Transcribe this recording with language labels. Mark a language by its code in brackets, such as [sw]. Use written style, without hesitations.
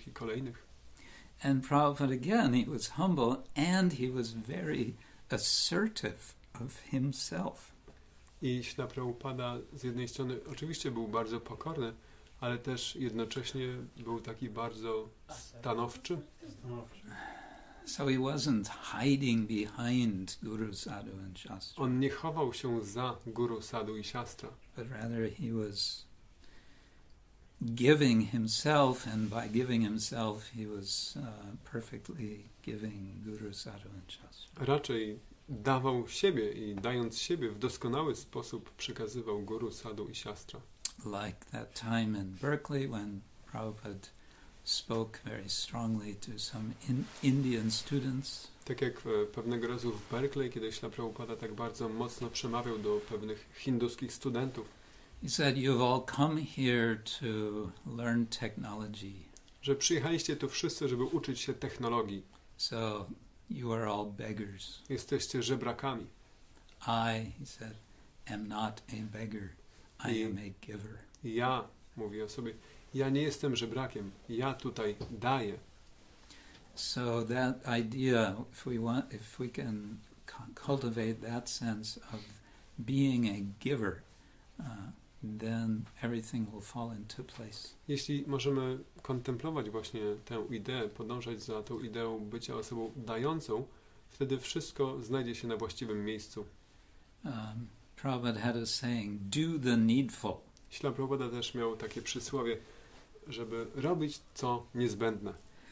[pl] i kolejnych. [en] And Prabhupada again, he was humble and he was very assertive of himself. [pl] I Śla Prabhupada z jednej strony oczywiście był bardzo pokorny, ale też jednocześnie był taki bardzo stanowczy. [en] So he wasn't hiding behind Guru Sadhu and Shastra. [pl] On nie chował się za Guru Sadhu i Shastra. [en] But rather he was giving himself, and by giving himself he was perfectly giving Guru Sadhu and Shastra. [pl] Raczej dawał siebie i dając siebie w doskonały sposób przekazywał Guru, Sadhu i Siastra. [en] Like that time in Berkeley when Prabhupada spoke very strongly to some Indian students. [pl] Tak jak pewnego razu w Berkeley, kiedy Śla Prabhupada tak bardzo mocno przemawiał do pewnych hinduskich studentów. [en] He said, you've all come here to learn technology. [pl] Że przyjechaliście tu wszyscy, żeby uczyć się technologii. [en] So, you are all beggars. [pl] Jesteście żebrakami. [en] I, he said, am not a beggar. I am a giver. [pl] Ja, mówi o sobie, ja nie jestem żebrakiem. Ja tutaj daję. [en] So that idea, if we can cultivate that sense of being a giver, then everything will fall into place. [pl] Jeśli możemy kontemplować właśnie tę ideę, podążać za tą ideą bycia osobą dającą, wtedy wszystko znajdzie się na właściwym miejscu. [en] Prabhupada had a saying, do the needful. [pl] Śla Prabhupada też miał takie przysłowie, żeby robić co niezbędne.